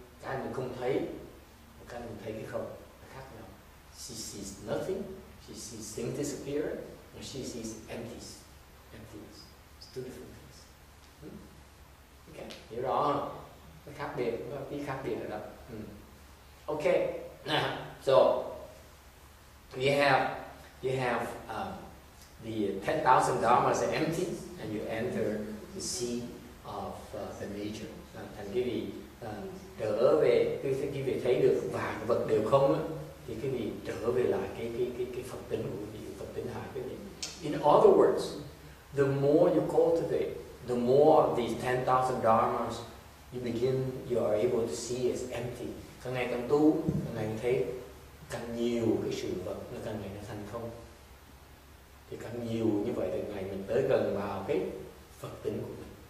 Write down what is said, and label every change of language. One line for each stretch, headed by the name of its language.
Vietnamese: Cái mình không thấy, cái mình thấy cái không.
English: She sees nothing, she sees things disappear, and she sees emptiness. It's two different things.
Vietnamese: Okay, hiểu rõ không? Nó khác biệt, nó có tí khác biệt ở đó.
English: Okay, now, so, you have the 10,000 dharmas are empty, and you enter the sea of the nature.
Vietnamese: Thành quý vị trở về, quý vị thấy được vài vật đều không á, thì cái gì trở về lại cái phật tính của cái gì, phật tính hai cái gì.
English: In other words, the more you cultivate, the more of these 10,000 dharmas you begin, you are able to see as empty.
Vietnamese: Càng ngày càng tu, càng ngày thấy càng nhiều cái sự vật, nó càng ngày nó thành không. Thì càng nhiều như vậy, càng ngày mình tới gần vào cái phật tính của mình.